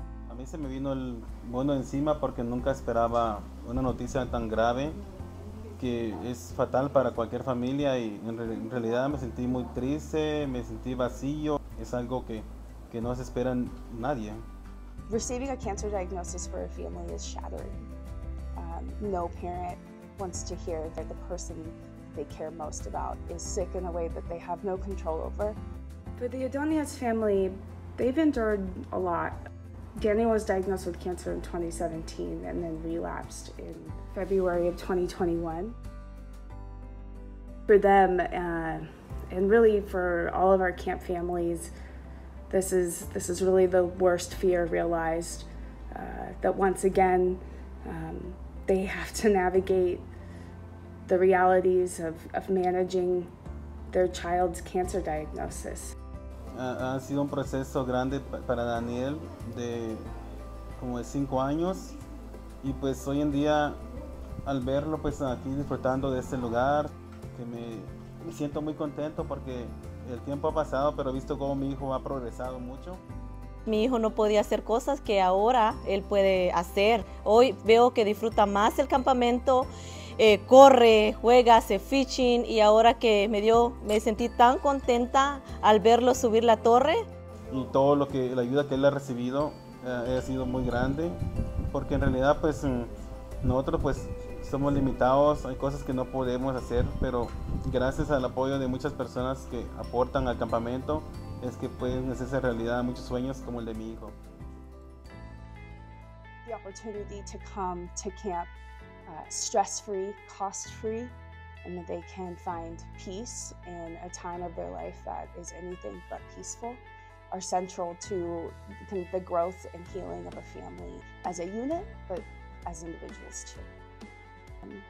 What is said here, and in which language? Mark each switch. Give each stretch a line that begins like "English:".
Spanish: A mí se me vino el mundo encima porque nunca esperaba una noticia tan grave que es fatal para cualquier familia y en realidad me sentí muy triste, me sentí vacío. Es algo que no se espera en nadie.
English: Receiving a cancer diagnosis for a family is shattering. No parent wants to hear that the person they care most about is sick in a way that they have no control over. For the Ordonez family, they've endured a lot. Danny was diagnosed with cancer in 2017 and then relapsed in February of 2021. For them, and really for all of our camp families, this is really the worst fear realized, that once again, they have to navigate the realities of managing their child's cancer diagnosis.
Spanish: Ha sido un proceso grande para Daniel de como de 5 años y pues hoy en día al verlo pues aquí disfrutando de este lugar que me siento muy contento porque el tiempo ha pasado pero he visto cómo mi hijo ha progresado mucho. Mi hijo no podía hacer cosas que ahora él puede hacer. Hoy veo que disfruta más el campamento, corre, juega, hace fishing y ahora que me sentí tan contenta al verlo subir la torre. Y todo lo que, la ayuda que él ha recibido ha sido muy grande porque en realidad pues nosotros pues somos limitados, hay cosas que no podemos hacer, pero gracias al apoyo de muchas personas que aportan al campamento, es que pueden hacerse realidad muchos sueños como el de mi hijo.
English: The opportunity to come to camp stress-free, cost-free, and that they can find peace in a time of their life that is anything but peaceful are central to the growth and healing of a family as a unit, but as individuals too.